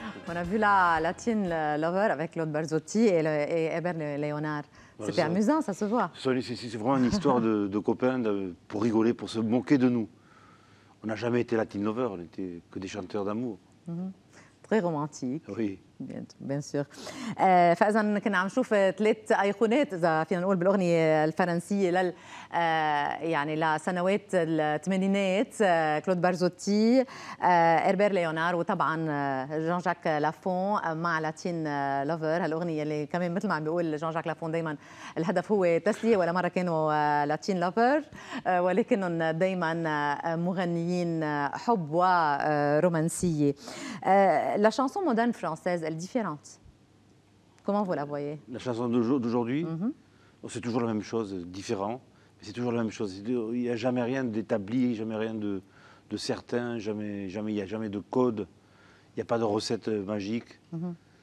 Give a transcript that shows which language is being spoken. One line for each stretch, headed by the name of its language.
French: On a vu la Latin Lover avec Claude Barzotti et Hébert Léonard. C'était ça, amusant, ça se voit. C'est vraiment une histoire de copains pour rigoler, pour se moquer de nous. On n'a jamais été Latin Lover, on n'était que des chanteurs d'amour. Mm-hmm. Très romantique. Oui. Bien sûr.
Arabic: Fazan, كنا عم نشوف ثلاث ايقونات اذا فينا نقول بالاغنيه الفرنسيه لل يعني لسنوات الثمانينات، كلود بارزوتي، هربير ليونار، وطبعا جان جاك لافون مع لاتين لوفر. هالاغنيه اللي كمان مثل ما عم بيقول جان جاك لافون دائما الهدف هو تسليه، ولا مره كانوا لاتين لوفر ولكنهم دائما مغنيين حب ورومانسيه.
French: لا شانسون مودرن فرانسيز، elle est différente. Comment vous la voyez ? La chanson d'aujourd'hui, mm-hmm. c'est toujours la même chose, différent. Mais c'est toujours la même chose. Il n'y a jamais rien d'établi, jamais rien de certain, jamais, il n'y a jamais de code, il n'y a pas de recette magique. Mm-hmm.